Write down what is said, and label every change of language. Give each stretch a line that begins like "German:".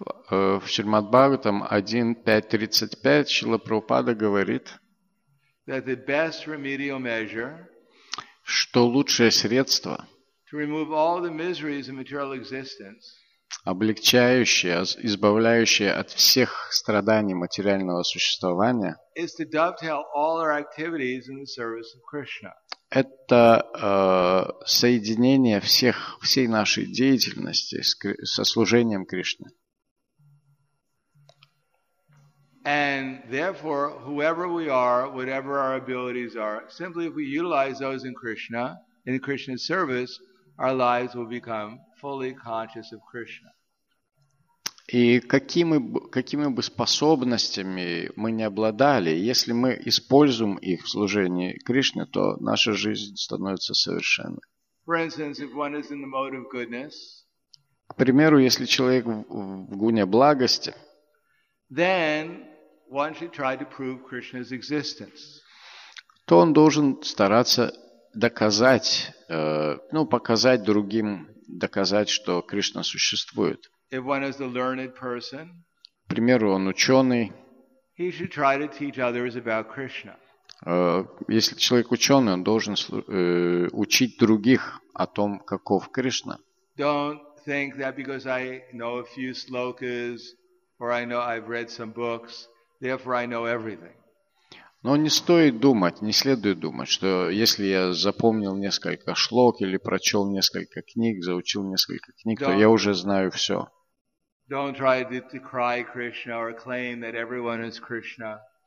Russian: В Шримад Бхагаватам 1.5.35 Шрила Прабхупада говорит,
English: that the best remedial measure,
Russian: что лучшее средство,
English: to remove all the miseries of material existence,
Russian: облегчающее, избавляющее от всех страданий материального существования,
English: is to dovetail all our activities in the service of Krishna.
Russian: Это соединение всех, всей нашей деятельности со служением Кришны.
English: And therefore, whoever we are, whatever our abilities are, simply if we utilize those in Krishna, in Krishna's service, our lives will become fully conscious of Krishna.
Russian: И какими бы способностями мы ни обладали, если мы используем их в служении Кришне, то наша жизнь становится совершенной.
English: For instance, if one is in the mode of goodness,
Russian: к примеру, если человек в гуне благости,
English: then one should try to prove Krishna's existence.
Russian: То он должен стараться доказать, ну, показать другим, доказать, что Кришна существует.
English: If one is a learned person,
Russian: к примеру, он ученый,
English: he should try to teach others about Krishna.
Russian: Если человек ученый, он должен учить других о том, каков Кришна.
English: Don't think that because I know a few slokas or I know I've read some books, therefore I know everything.
Russian: Но не стоит думать, не следует думать, что если я запомнил несколько шлок или прочел несколько книг, заучил несколько книг, то я уже знаю все.
English: Don't try to decry Krishna or claim that everyone is Krishna.